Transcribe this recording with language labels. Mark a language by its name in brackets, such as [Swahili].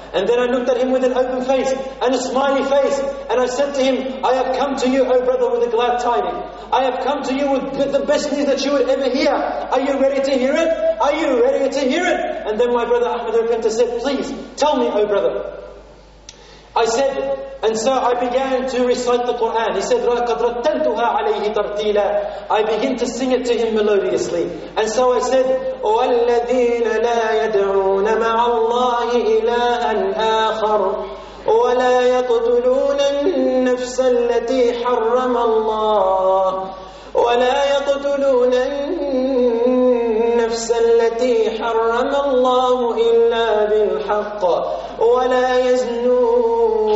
[English] And then I looked at him with an open face and a smiley face. And I said to him, I have come to you, O brother, with a glad tidings. I have come to you with the best news that you would ever hear. Are you ready to hear it? Are you ready to hear it? And then my brother Ahmad al-Penta said, please tell me, O brother. I said, and so I began to recite the Quran. He said, [Arabic] لَقَدْ رَتَّلْتُهَا عَلَيْهِ تَرْتِيلًا. [English] I begin to sing it to him melodiously. And so I said, [Arabic] وَالَّذِينَ لَا يَدْعُونَ مَعَ اللَّهِ إِلَٰهًا آخَرٌ وَلَا يَقْتُلُونَ النَّفْسَ الَّتِي حَرَّمَ اللَّهُ وَلَا يَقْتُلُونَ النَّفْسَ الَّتِي حَرَّمَ اللَّهُ إِلَّا بِالْحَقِّ وَلَا يَزْنُونَ